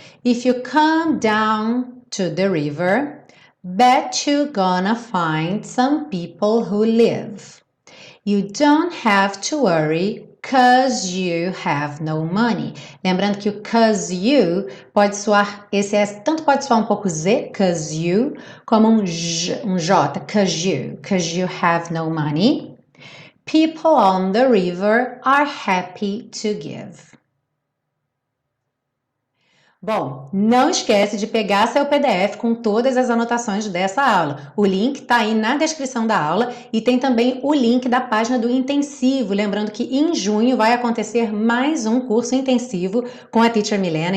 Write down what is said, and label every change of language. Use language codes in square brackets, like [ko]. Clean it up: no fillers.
[en] If you come down to the river, bet you gonna find some people who live. You don't have to worry. Cause you have no money. [pt] Lembrando que o cause you pode soar, esse S tanto pode soar um pouco Z, cause you, como um J, [en] cause you have no money. People on the river are happy to give. [pt] Bom, não esquece de pegar seu PDF com todas as anotações dessa aula. O link está aí na descrição da aula e tem também o link da página do intensivo. Lembrando que em junho vai acontecer mais um curso intensivo com a Teacher Milena.